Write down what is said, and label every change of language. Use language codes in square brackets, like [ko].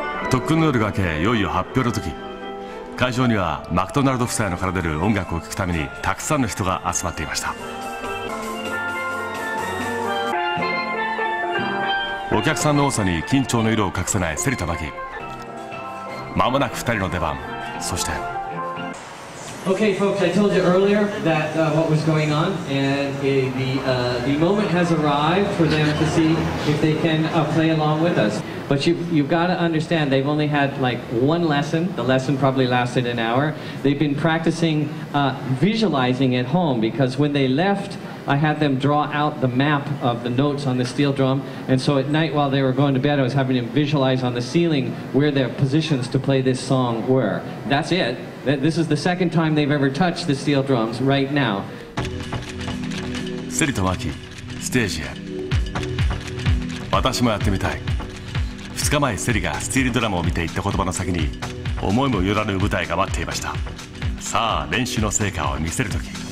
[ja] 特訓の夜が明け、いよいよ発表の時。会場にはマクドナルド夫妻の奏でる音楽を聴くためにたくさんの人が集まっていました。お客さんの多さに緊張の色を隠せない芹田真希。まもなく2人の出番。そして [en] Okay, folks, I told you earlier that、what was going on, and the moment has arrived for them to see if they can、play along with us. But you've got to understand, they've only had like one lesson. The lesson probably lasted an hour. They've been practicing、visualizing at home, because when they left, I had them draw out the map of the notes on the steel drum. And so at night while they were going to bed, I was having them visualize on the ceiling where their positions to play this song were. That's it. This is the second time they've ever touched the steel drums right now. [ja] セリとマキ、ステージへ。私もやってみたい。 2日前セリがスティールドラムを見て言った言葉の先に思いもよらぬ舞台が待っていました。さあ練習の成果を見せるとき。